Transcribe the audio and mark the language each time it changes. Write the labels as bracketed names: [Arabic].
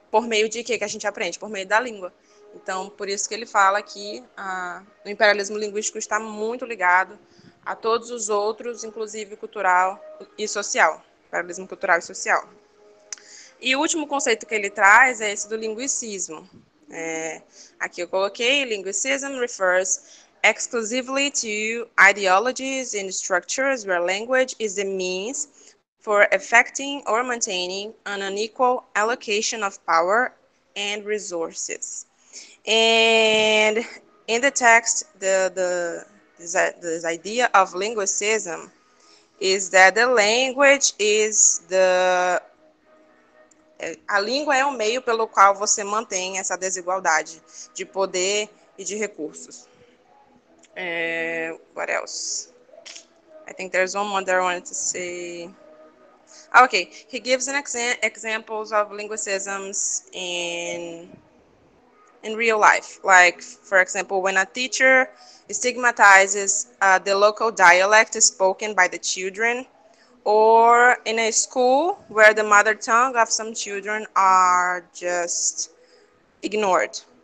[Portuguese] Por meio de que a gente aprende? Por meio da língua. Então, por isso que ele fala que o imperialismo linguístico está muito ligado a todos os outros, inclusive cultural e social. Imperialismo cultural e social. E o último conceito que ele traz é esse do linguicismo. Aqui eu coloquei, [English] linguicism refers exclusively to ideologies and structures where language is the means for effecting or maintaining an unequal allocation of power and resources. And in the text, this idea of linguicism is that the language is the... [Portuguese] A língua é o meio pelo qual você mantém essa desigualdade de poder e de recursos. [English] What else? I think there's one more that I wanted to say. Okay, he gives an examples of linguicisms in real life. Like, for example, when a teacher stigmatizes the local dialect spoken by the children, or in a school where the mother tongue of some children are just ignored.